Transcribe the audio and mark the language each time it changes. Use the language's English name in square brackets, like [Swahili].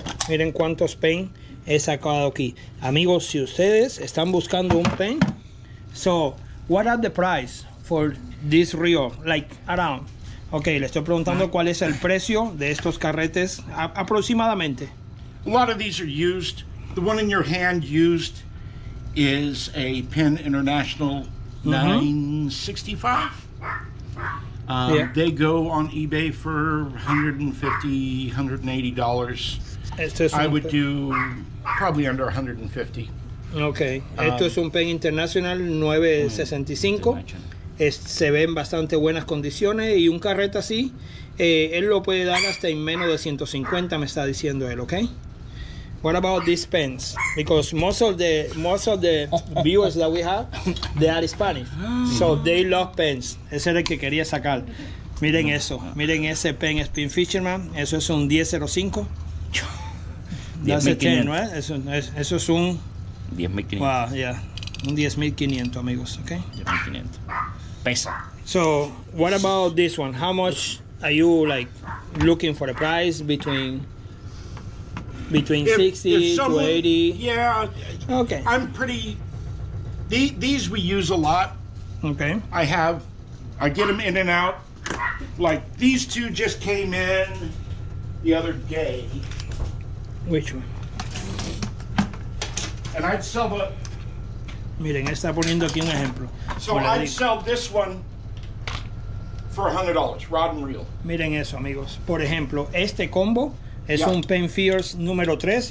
[Spanish] Miren cuántos pen he sacado aquí. Amigos, si ustedes están buscando un pen, [English] so, what are the price for this reel? Like, around. [Spanish] Ok, le estoy preguntando cuál es el precio de estos carretes, aproximadamente. [English] A lot of these are used. The one in your hand used is a Pen International 965. Yeah. They go on eBay for $150-$180. I would do probably under 150. [Spanish] Okay. Esto es un Pen International 965. Se ve en bastante buenas condiciones y un carrete así, él lo puede dar hasta en menos de 150, me está diciendo él, ¿ok? [English] What about these pens? Because most of the viewers that we have, they are Spanish. So they love pens. [Spanish] Ese era el que quería sacar. Miren eso. Miren ese pen Spin Fisherman. Eso es un 1005. [English] That's a 10, [Spanish] ¿no? Eso es un 10.500. Wow, yeah. Un 10.500, amigos, ¿ok? 10.500. Pesa. [English] So, what about this one? How much are you, like, looking for a price between 60 to 80? Yeah. Okay. I'm pretty... These we use a lot. Okay. I get them in and out. Like, these two just came in the other day. Which one? And I'd sell the... [Spanish] Miren, está poniendo aquí un ejemplo. [English] So I'd sell this one for $100, rod and reel. [Spanish] Miren eso, amigos. Por ejemplo, este combo es un Pen Fierce número 3.